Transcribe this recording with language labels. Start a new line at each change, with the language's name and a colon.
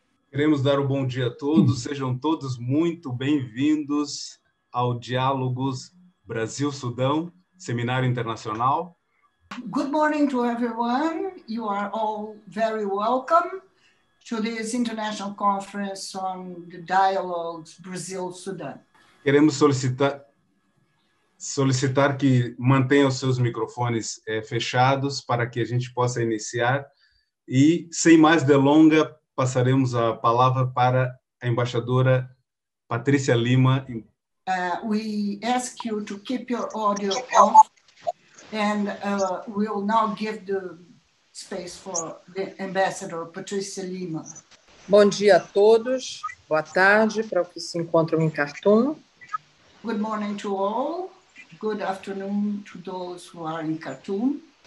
Portuguese: Queremos dar o um bom dia a todos, sejam todos muito bem-vindos ao Diálogos Brasil-Sudão, Seminário Internacional.
English: Good morning to everyone. You are all very welcome to this international conference on the dialogues Brazil-Sudan.
Portuguese: Queremos solicitar que mantenham os seus microfones fechados para que a gente possa iniciar e, sem mais delonga, passaremos a palavra para a embaixadora Patrícia Lima.
English: We ask you to keep your audio off and we'll now give the space for the ambassador Patrícia Lima.
Portuguese: Bom dia a todos. Boa tarde para os que se encontram em Khartoum.
English: Good morning to all. Good afternoon to those who are in Khartoum.